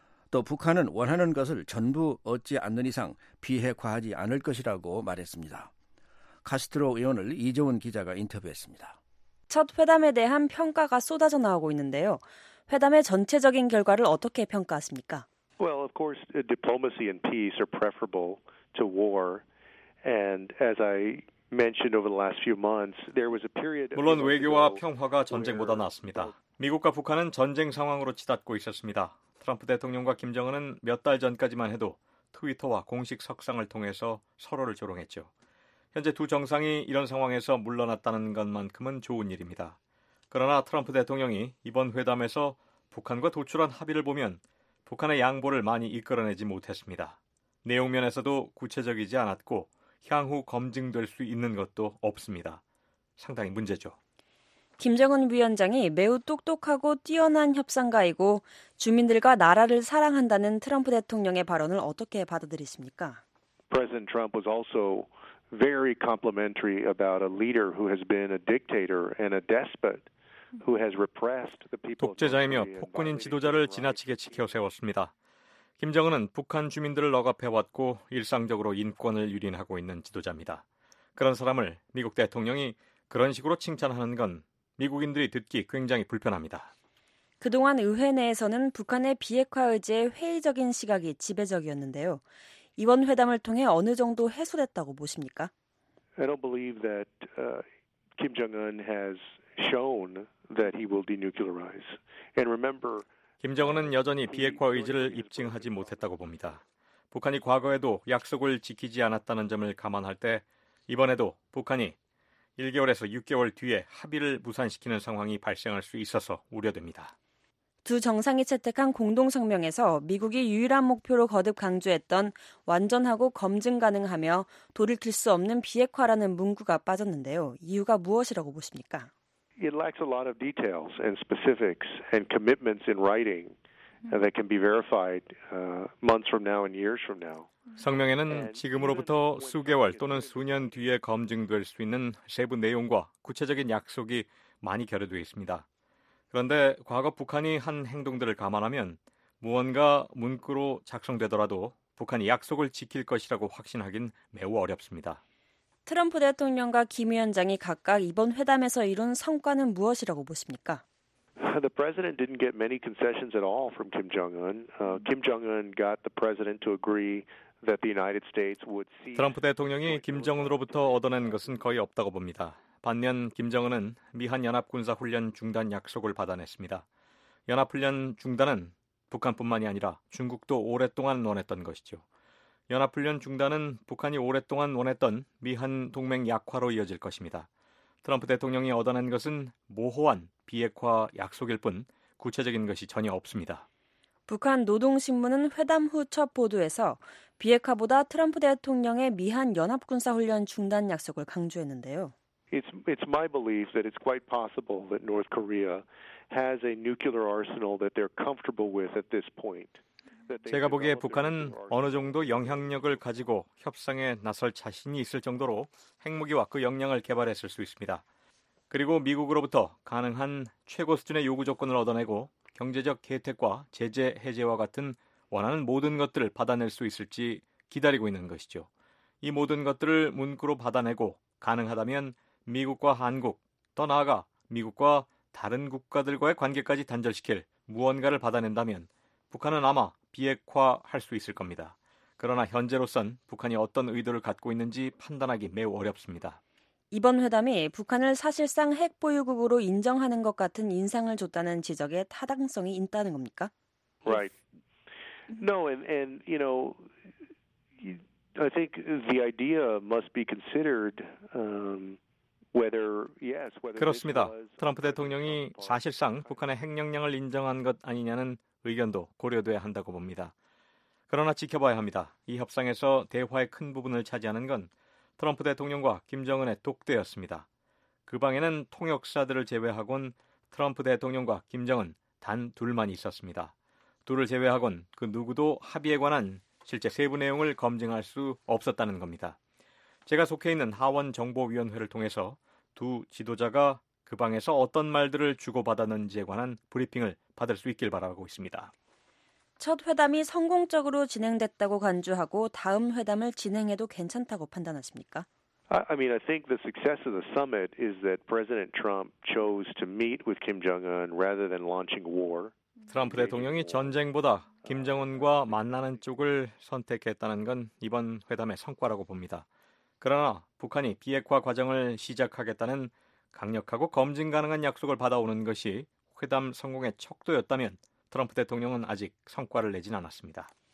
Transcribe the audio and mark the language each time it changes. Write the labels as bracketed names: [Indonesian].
[Korean] 또 북한은 원하는 것을 전부 얻지 않는 이상 비핵화하지 않을 것이라고 말했습니다. 카스트로 의원을 이종훈 기자가 인터뷰했습니다. 첫 회담에 대한 평가가 쏟아져 나오고 있는데요. 회담의 전체적인 결과를 어떻게 평가하십니까? [English] Well, of course, diplomacy and peace are preferable to war. And as I mentioned over the last few months, there was a period. [Korean] 물론 외교와 평화가 전쟁보다 낫습니다. 미국과 북한은 전쟁 상황으로 치닫고 있었습니다. 트럼프 대통령과 김정은은 몇 달 전까지만 해도 트위터와 공식 석상을 통해서 서로를 조롱했죠. 현재 두 정상이 이런 상황에서 물러났다는 것만큼은 좋은 일입니다. 그러나 트럼프 대통령이 이번 회담에서 북한과 도출한 합의를 보면 북한의 양보를 많이 이끌어내지 못했습니다. 내용 면에서도 구체적이지 않았고 향후 검증될 수 있는 것도 없습니다. 상당히 문제죠. 김정은 위원장이 매우 똑똑하고 뛰어난 협상가이고 주민들과 나라를 사랑한다는 트럼프 대통령의 발언을 어떻게 받아들이십니까? [English] President Trump was also very complimentary about a leader who has been a dictator and a despot who has repressed the people. [Korean] 독재자이며 폭군인 지도자를 지나치게 지켜 세웠습니다. 김정은은 북한 주민들을 억압해왔고 일상적으로 인권을 유린하고 있는 지도자입니다. 그런 사람을 미국 대통령이 그런 식으로 칭찬하는 건 미국인들이 듣기 굉장히 불편합니다. 그동안 의회 내에서는 북한의 비핵화 의지에 회의적인 시각이 지배적이었는데요. 이번 회담을 통해 어느 정도 해소됐다고 보십니까? [English] I don't believe that Kim Jong-un has shown that he will denuclearize. And remember, [Korean] 김정은은 여전히 비핵화 의지를 입증하지 못했다고 봅니다. 북한이 과거에도 약속을 지키지 않았다는 점을 감안할 때 이번에도 북한이 1개월에서 6개월 뒤에 합의를 무산시키는 상황이 발생할 수 있어서 우려됩니다. 두 정상이 채택한 공동성명에서 미국이 유일한 목표로 거듭 강조했던 완전하고 검증 가능하며 돌이킬 수 없는 비핵화라는 문구가 빠졌는데요. 이유가 무엇이라고 보십니까? [English] It lacks a lot of details and specifics and commitments in writing that can be verified months from now and years from now. [Korean] 성명에는 지금으로부터 수개월 또는 수년 뒤에 검증될 수 있는 세부 내용과 구체적인 약속이 많이 결여되어 있습니다. 그런데 과거 북한이 한 행동들을 감안하면 무언가 문구로 작성되더라도 북한이 약속을 지킬 것이라고 확신하긴 매우 어렵습니다. 트럼프 대통령과 김 위원장이 각각 이번 회담에서 이룬 성과는 무엇이라고 보십니까? [English] The president didn't get many concessions at all from Kim Jong-un. Kim Jong-un got the president to agree that the United States would see. [Korean] 트럼프 대통령이 김정은으로부터 얻어낸 것은 거의 없다고 봅니다. 반면 김정은은 미한 연합군사 훈련 중단 약속을 받아냈습니다. 연합훈련 중단은 북한뿐만이 아니라 중국도 오랫동안 원했던 것이죠. 연합훈련 중단은 북한이 오랫동안 원했던 미한 동맹 약화로 이어질 것입니다. 트럼프 대통령이 얻어낸 것은 모호한 비핵화 약속일 뿐 구체적인 것이 전혀 없습니다. 북한 노동신문은 회담 후 첫 보도에서 비핵화보다 트럼프 대통령의 미한 연합군사훈련 중단 약속을 강조했는데요. [English] It's my belief that it's quite possible that North Korea has a nuclear arsenal that they're comfortable with at this point. [Korean] 제가 보기에 북한은 어느 정도 영향력을 가지고 협상에 나설 자신이 있을 정도로 핵무기와 그 역량을 개발했을 수 있습니다. 그리고 미국으로부터 가능한 최고 수준의 요구 조건을 얻어내고 경제적 혜택과 제재 해제와 같은 원하는 모든 것들을 받아낼 수 있을지 기다리고 있는 것이죠. 이 모든 것들을 문구로 받아내고 가능하다면 미국과 한국, 더 나아가 미국과 다른 국가들과의 관계까지 단절시킬 무언가를 받아낸다면 북한은 아마 비핵화할 수 있을 겁니다. 그러나 현재로선 북한이 어떤 의도를 갖고 있는지 판단하기 매우 어렵습니다. 이번 회담이 북한을 사실상 핵 보유국으로 인정하는 것 같은 인상을 줬다는 지적에 타당성이 있다는 겁니까? [English] Right. No, and you know, I think the idea must be considered whether yes, whether [Korean] 그렇습니다. 트럼프 대통령이 사실상 북한의 핵 역량을 인정한 것 아니냐는 의견도 고려돼야 한다고 봅니다. 그러나 지켜봐야 합니다. 이 협상에서 대화의 큰 부분을 차지하는 건 트럼프 대통령과 김정은의 독대였습니다. 그 방에는 통역사들을 제외하곤 트럼프 대통령과 김정은 단 둘만 있었습니다. 둘을 제외하곤 그 누구도 합의에 관한 실제 세부 내용을 검증할 수 없었다는 겁니다. 제가 속해 있는 하원정보위원회를 통해서 두 지도자가 그 방에서 어떤 말들을 주고받았는지에 관한 브리핑을 받을 수 있길 바라고 있습니다. 첫 회담이 성공적으로 진행됐다고 간주하고 다음 회담을 진행해도 괜찮다고 판단하십니까? [English] I mean, I think the success of the summit is that President Trump chose to meet with Kim Jong-un rather than launching war. [Korean] 트럼프 대통령이 전쟁보다 김정은과 만나는 쪽을 선택했다는 건 이번 회담의 성과라고 봅니다. 그러나 북한이 비핵화 과정을 시작하겠다는 강력하고 검증 가능한 약속을 받아오는 것이 회담 성공의 척도였다면 트럼프 대통령은 아직 성과를 내진 않았습니다.